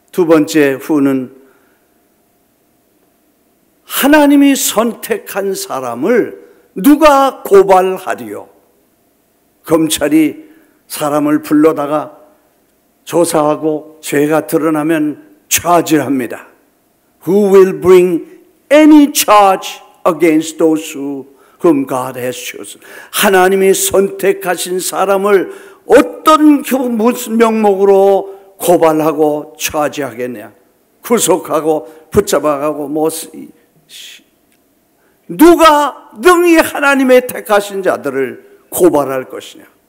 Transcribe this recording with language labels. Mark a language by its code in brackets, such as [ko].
[ko] 두 번째 후는 하나님이 선택한 사람을 누가 고발하리요? 검찰이 사람을 불러다가 조사하고 죄가 드러나면 charge합니다. [en] Who will bring any charge against those whom God has chosen? [ko] 하나님이 선택하신 사람을 어떤 무슨 명목으로 고발하고 charge하겠냐? 구속하고 붙잡아가고 누가 능히 하나님의 택하신 자들을 고발할 것이냐?